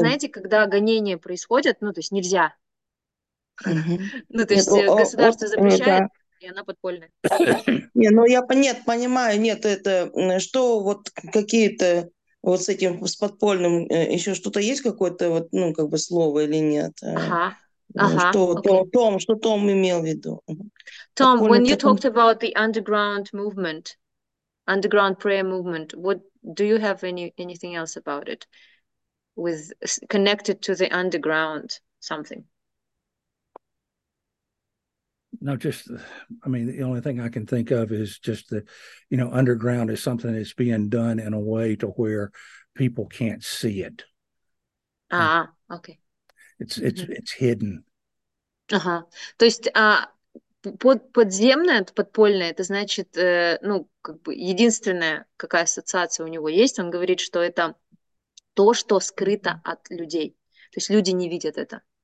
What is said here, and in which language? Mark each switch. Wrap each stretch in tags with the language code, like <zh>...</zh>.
<ru>знаете, когда гонения происходят, ну, то есть нельзя. Ну, то есть государство запрещает, и она подпольная. Не, ну я нет, понимаю, нет, это что вот какие-то... Вот с этим, с подпольным, еще что-то есть какое-то, вот, ну, как бы слово или нет? Ага, что,</ru> <en>okay.</en> <ru>Том, что Том имел в виду?</ru> <en>Том, when you talked about the underground movement, underground prayer movement, what do you have anything else about it? With connected to the underground something? No, just, I mean, the only thing I can think of is just that, you know, underground is something that's being done in a way to where people can't see it. Ah, okay. It's hidden.</en> <ru>Ага. То есть подземное, подпольное, это значит, ну, как бы единственная, какая ассоциация у него есть, он говорит, что это то, что скрыто от людей. То есть люди не видят это.</ru>